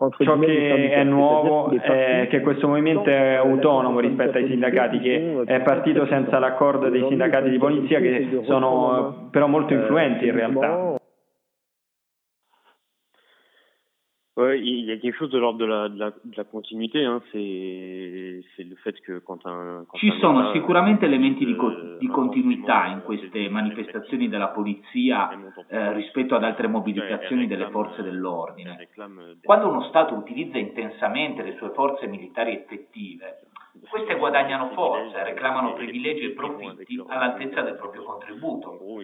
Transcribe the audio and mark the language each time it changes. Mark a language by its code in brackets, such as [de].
[it] Ciò che è nuovo è che questo movimento è autonomo rispetto ai sindacati, che è partito senza l'accordo dei sindacati di polizia, che sono però molto influenti in realtà. [fr] Il y a quelque chose de l'ordre de la continuité, hein, c'est le fait que [it] ci sono sicuramente elementi di continuità in queste manifestazioni della polizia rispetto ad altre mobilitazioni delle forze dell'ordine. Quando uno Stato utilizza intensamente le sue forze militari effettive, queste guadagnano forza, reclamano privilegi e profitti all'altezza del proprio contributo.